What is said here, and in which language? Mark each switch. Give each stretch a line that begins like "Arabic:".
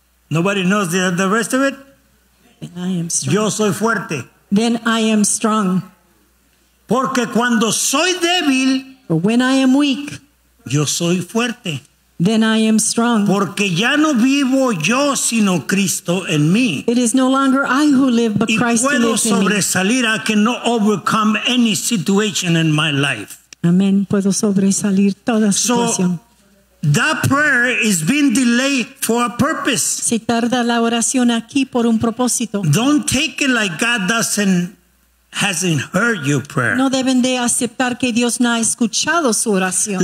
English: Nobody knows the rest of it. Then I am strong.
Spanish: Yo soy fuerte.
English: Then I am strong.
Spanish: Porque cuando soy débil.
English: For when I am weak.
Spanish: Yo soy fuerte.
English: Then I am strong.
Spanish: Porque ya no vivo yo, sino Cristo en mí.
English: It is no longer I who live, but Christ lives in me.
Spanish: Y puedo sobresalir.
English: I can overcome any situation in my life.
Spanish: Amén. Puedo sobresalir toda situación.
English: So, that prayer is being delayed for a purpose.
Spanish: Se tarda la oración aquí por un propósito.
English: Don't take it like God hasn't heard your prayer.
Spanish: No deben de aceptar que Dios no ha escuchado su oración.